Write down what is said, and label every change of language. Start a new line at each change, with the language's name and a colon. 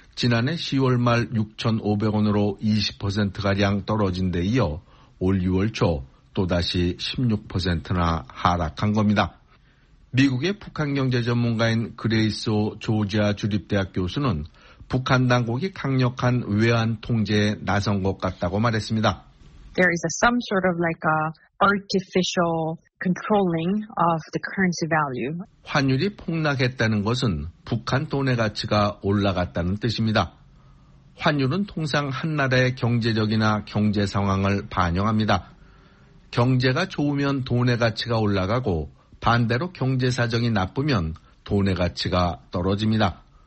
Korean: 지난해 10월 말 6,500원으로 20%가량 떨어진 데 이어 올 6월 초 또다시 16%나 하락한 겁니다. 미국의 북한 경제 전문가인 그레이스 조지아 주립대학 교수는 북한 당국이 강력한 외환 통제에 나선 것 같다고 말했습니다.
English: There is a some sort of like a artificial controlling of the currency value.
Korean: 환율이 폭락했다는 것은 북한 돈의 가치가 올라갔다는 뜻입니다. 환율은 통상 한 나라의 경제적이나 경제 상황을 반영합니다. 경제가 좋으면 돈의 가치가 올라가고 반대로 경제 사정이 나쁘면 돈의 가치가 떨어집니다.